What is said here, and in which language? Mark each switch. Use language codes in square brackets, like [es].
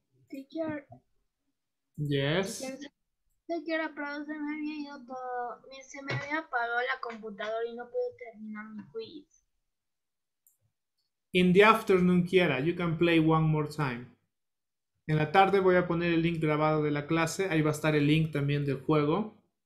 [en] teacher. Yes. [es] Teacher, se me había ido todo. Se me había apagado la computadora y no pude terminar mi quiz. [en] In the afternoon, Kiara, you can play one more time. [es] En la tarde voy a poner el link grabado de la clase. Ahí va a estar el link también del juego.